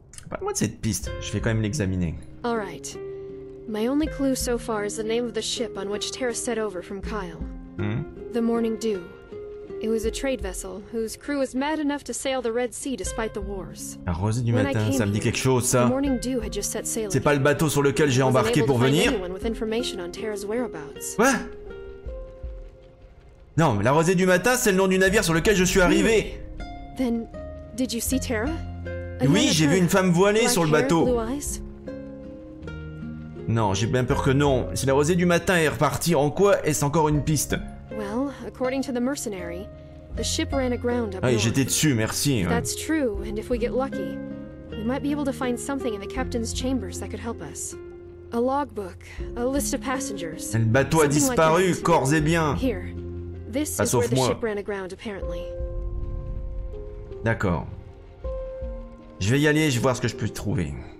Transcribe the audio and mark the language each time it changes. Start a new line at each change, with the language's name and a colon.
French: Parle-moi de cette piste, je vais quand même l'examiner.
English: All right. My only clue so far is the name of the ship on which Terra set over from Kyle. The Morning Dew. It was a trade vessel whose crew was mad enough to sail the Red Sea despite the wars.
French: La rosée du matin, ça me dit quelque chose, ça.
English: The Morning Dew had just set sail.
French: C'est pas le bateau sur lequel j'ai embarqué pour venir.
English: Information on Terra's whereabouts.
French: Quoi? Non, la rosée du matin, c'est le nom du navire sur lequel je suis arrivé.
English: Then, did you see Terra?
French: Oui, j'ai vu une femme voilée sur le bateau. Non, j'ai bien peur que non. Si la rosée du matin est repartie, en quoi est-ce encore une piste?
English: Well, according to the mercenary, the ship ran aground up.
French: Ah, j'étais dessus, merci.
English: That's true, and if we get lucky, we might be able to find something in the captain's chambers that could help us. A logbook, a list of passengers.
French: Le bateau a disparu, corps et biens.
English: Here, this is where the ship ran aground, apparently.
French: D'accord. Je vais y aller, je vais voir ce que je peux trouver.